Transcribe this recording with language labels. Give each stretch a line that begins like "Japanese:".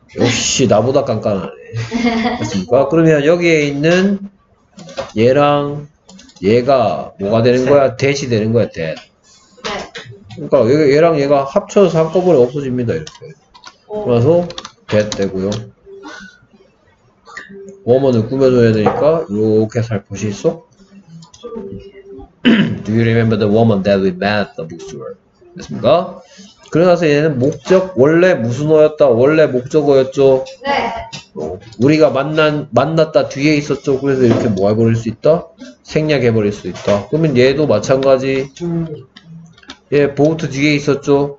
Korean: 역시 나보다 깐깐하네. 됐습니까? 그러면 여기에 있는 얘랑 얘가 뭐가 되는 거야? 대시 되는 거야, 대. 네. 그러니까 얘랑 얘가 합쳐서 한꺼번에 없어집니다, 이렇게. 그래서 대 되고요. 워먼을 꾸며줘야 되니까 이렇게 살포시 있어.
English: Do you remember the woman that we met at the bookstore?
Korean: 됐습니까? 그러나서 얘는 목적, 원래 무슨 어였다? 원래 목적어였죠. 네. 우리가 만났다 뒤에 있었죠. 그래서 이렇게 뭐 해버릴 수 있다? 생략해버릴 수 있다. 그러면 얘도 마찬가지. 얘 보트 뒤에 있었죠.